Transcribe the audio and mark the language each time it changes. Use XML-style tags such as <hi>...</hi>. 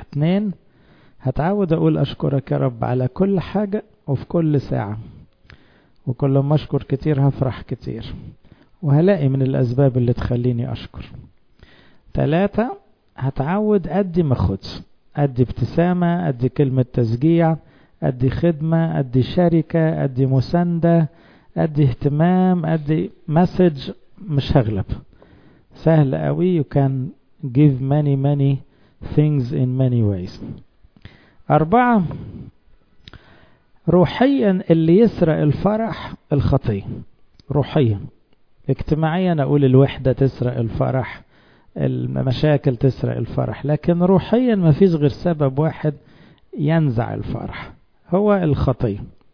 <ar>2 هتعود اقول اشكرك يا رب على كل حاجة وفي كل ساعة، وكل ما اشكر كتير هفرح كتير وهلاقي من الاسباب اللي تخليني اشكر. 3 هتعود ادي مخدس، ادي ابتسامة، ادي كلمة تشجيع، ادي خدمة، ادي شركة، ادي مساندة، ادي اهتمام، ادي مسج. مش هغلب، سهل قوي.</ar> <en>You can give many many things in many ways.</en> <ar>4 روحيا اللي يسرق الفرح الخطية. روحيا اجتماعيا اقول الوحدة تسرق الفرح، المشاكل تسرق الفرح، لكن روحيا ما فيش غير سبب واحد ينزع الفرح هو الخطية.</ar>